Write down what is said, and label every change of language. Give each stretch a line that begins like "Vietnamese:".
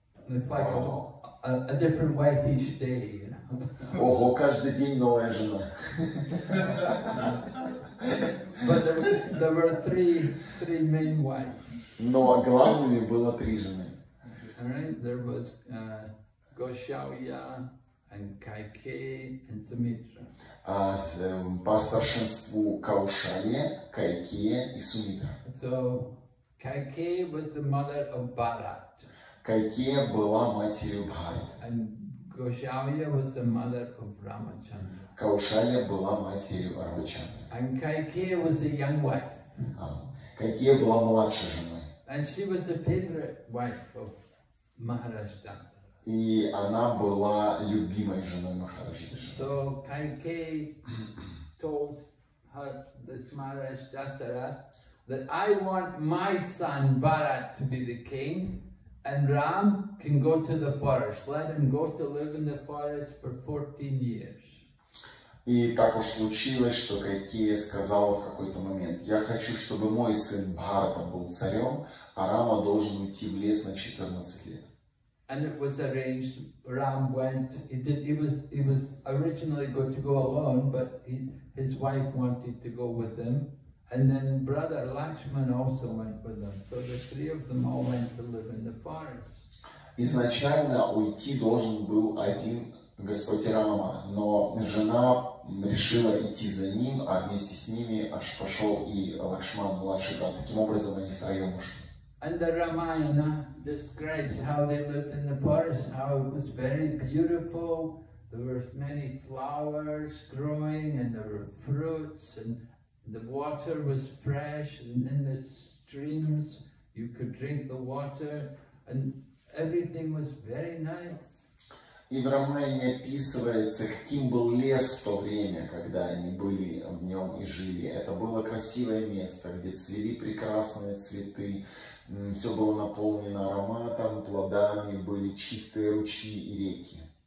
English: It's like a different wife each day, you know.
Russian: Ого, каждый день новая жена.
English: But there were three main wives.
Russian: Но главными было три жены.
English: All right, there was Гошауя and Кайкеи and Сумитра.
Russian: По старшинству Каушалья, Кайкея и Сумитра.
English: So Кайкея was the mother of Бхарат.
Russian: Кайкея была матерью Бхарат.
English: And Гошауя was the mother of Рамачандра.
Russian: Каушалья была матерью Рамачандры.
English: And Кайкея was the young wife.
Russian: Кайкея была младшей женой.
English: And she was the favorite wife of Maharaj
Russian: И она была любимой женой Махараджа.
English: So Кайкеи told her this Maharaj Dasara that I want my son Bharat to be the king, and Ram can go to the forest. Let him go to live in the forest for 14 years.
Russian: И так уж случилось, что Кайкея сказала в какой-то момент: я хочу, чтобы мой сын Бхарата был царем, а Рама должен уйти в лес на 14 лет.
English: And it was arranged. Ram went. He was originally going to go alone, but his wife wanted to go with him. And then brother Lakshman also went with them. So the three of them all went to live in the forest.
Russian: Изначально уйти должен был один господь Рама, но жена решила идти за ним, а вместе с ними аж пошел и Лакшман младший брат. Таким образом они втроем ушли.
English: And the Ramayana describes how they lived in the forest, how it was very beautiful. There were many flowers growing, and there were fruits, and the water was fresh, and in the streams you could drink the water, and everything was very nice.
Russian: И в Рамаяне описывается, каким был лес в то время, когда они были в нем и жили. Это было красивое место, где цвели прекрасные цветы. Все было наполнено ароматом, плодами, были чистые ручьи и реки.